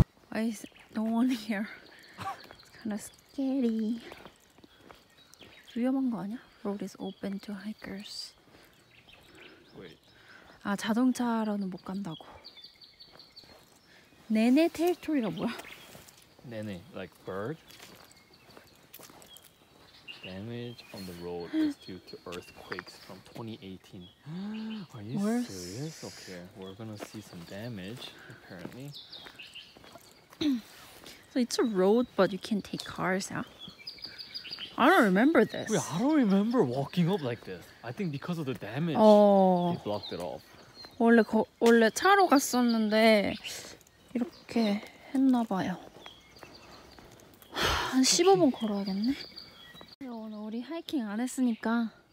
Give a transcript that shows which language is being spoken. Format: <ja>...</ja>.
<en>Why is no one here? It's kind of scary.</en> <ko>위험한 거 아니야?</ko> <en>Road is open to hikers. Wait.</en> <ko>아, 자동차로는 못 간다고. 네네 테리토리가 뭐야?</ko> <en>네네, like bird? Damage on the road is due to earthquakes from 2018. Are you serious? Okay, we're gonna see some damage, apparently. So it's a road, but you can't take cars out. Huh? I don't remember this. Wait, I don't remember walking up like this. I think because of the damage, they blocked it off.</en> <ko>원래 차로 갔었는데 이렇게 했나 봐요. 한 15분 걸어야겠네. 오늘 우리 하이킹 안 했으니까.</ko>